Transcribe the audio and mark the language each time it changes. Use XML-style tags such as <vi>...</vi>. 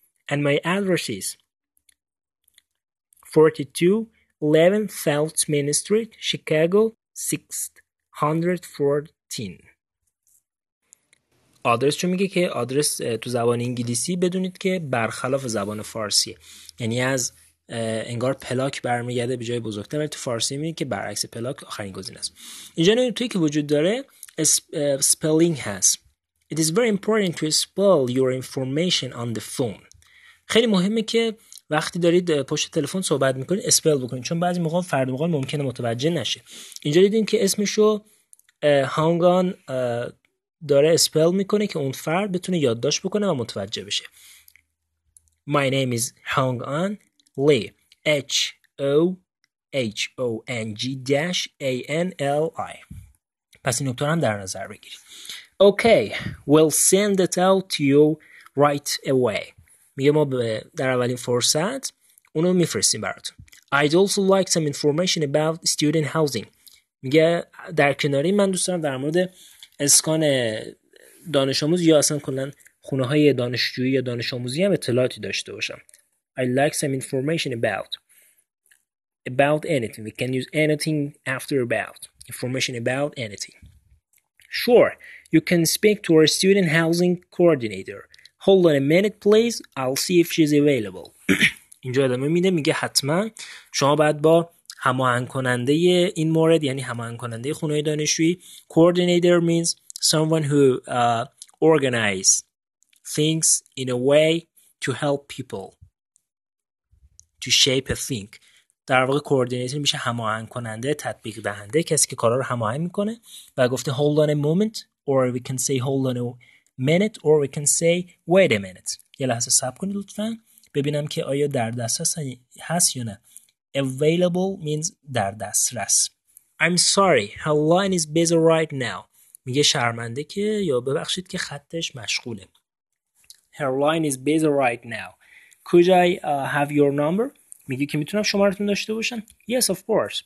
<en>And my address is 4211 South Main Street, Chicago, 614.</en> <fa>آدرس چون میگه که آدرس تو زبان انگلیسی بدونید که برخلاف زبان فارسیه. یعنی از انگار پلاک برمیگرده به جای بزرگتر، ولی تو فارسی میگه که برعکس پلاک آخرین گزینه است. اینجا نوعی توی که وجود داره</fa> <en>spelling has. It is very important to spell your information on the phone.</en> <fa>خیلی مهمه که وقتی دارید پشت تلفن صحبت میکنید اسپل بکنید، چون بعضی موقع فرد مقال ممکنه متوجه نشه. اینجا دیدیم که اسمشو هانگان داره اسپل میکنه که اون فرد بتونه یادداشت بکنه و متوجه بشه.</fa> <en>My name is Hong-an Lee. HOHONG-ANLI.</en> <fa>پس این نکته هم در نظر بگیرید.</fa> <en>Okay, we'll send it out to you right away.</en> <fa>میگه ما در اولین فرصت اونو میفرستیم براتون.</fa> <en>I'd also like some information about student housing.</en> <fa>میگه در کناری من دوست دارم در مورد اسکان دانش آموز یا اصلا کلن خونه های دانشجویی یا دانش آموزی هم اطلاعاتی داشته باشم.</fa> <en>I'd like some information about anything. We can use anything after about. Information about anything. Sure, you can speak to our student housing coordinator. Hold on a minute, please. I'll see if she's available.</en> <fa>اینجا ادامه میده، میگه حتما شما باید با هماهنگ کننده این مورد، یعنی هماهنگ کننده خونه دانشجویی.</fa> <en>Coordinator means someone who organizes things in a way to help people to shape a thing.</en> <fa>در واقع coordinator میشه هماهنگ کننده، تطبیق دهنده، کسی که کارا رو هماهنگ میکنه. و گفته</fa> <en>hold on a moment or we can say hold on a minute or we can say wait a minute.</en> <fa>یه لحظه صبر کنید لطفا ببینم که آیا در دسترس هست یا نه.</fa> <en>Available means</en> <fa>در دسترس.</fa> <en>I'm sorry, her line is busy right now.</en> <fa>میگه شرمنده که، یا ببخشید که خطش مشغوله.</fa> <en>Her line is busy right now. Could I have your number?</en> <fa>میگه که میتونم شمارتون داشته باشم؟</fa> <en>Yes, of course.</en>